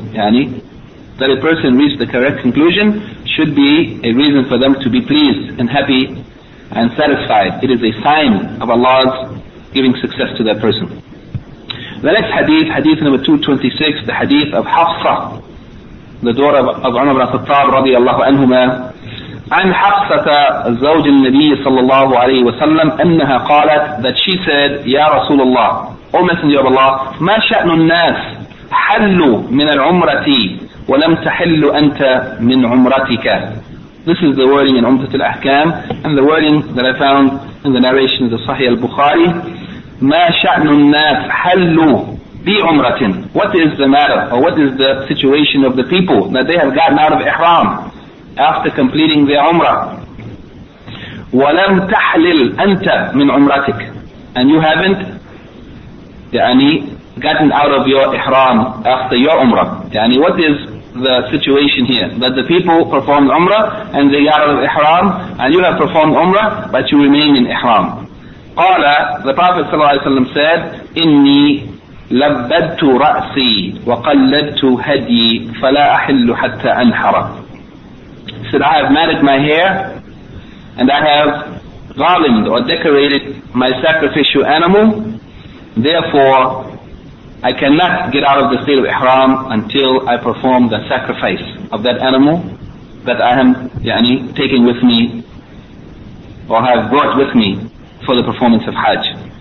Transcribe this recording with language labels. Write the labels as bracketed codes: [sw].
[en] That a person reached the correct conclusion should be a reason for them to be pleased and happy and satisfied. It is a sign of Allah's giving success to that person. The next hadith, hadith number 226, the hadith of Hafsa, the daughter of Umar ibn Khattab radiallahu anhuma. [ar] عن حفصة زوج النبي صلى الله عليه وسلم أنها قالت, [en] that she said, [ar] يا رسول الله, [en] O Messenger of Allah, [ar] ما شأن الناس حلوا من العمرة ولم تحل أنت من عمرتك. [en] This is the wording in Umdat al-Ahkam, and the wording that I found in the narration of the Sahih al-Bukhari. [ar] ما شأن الناس حلوا بعمرة. [en] What is the matter, or what is the situation of the people that they have gotten out of Ihram after completing their Umrah? [ar] وَلَمْ تَحْلِلْ أَنْتَ مِنْ عُمْرَتِكَ, [en] and you haven't gotten out of your Ihram after your Umrah. What is the situation here? That the people performed Umrah and they got out of Ihram, and you have performed Umrah but you remain in Ihram. [ar] قَالَ, [en] the Prophet ﷺ said, [ar] إِنِّي لَبَّدْتُ رَأْسِي وَقَلَّدْتُ هَدْيِي فَلَا أَحِلُّ حَتَّى أَنْحَرَ. [en] Said, I have matted my hair and I have garlanded or decorated my sacrificial animal, therefore I cannot get out of the state of Ihram until I perform the sacrifice of that animal that I am taking with me or have brought with me for the performance of Hajj.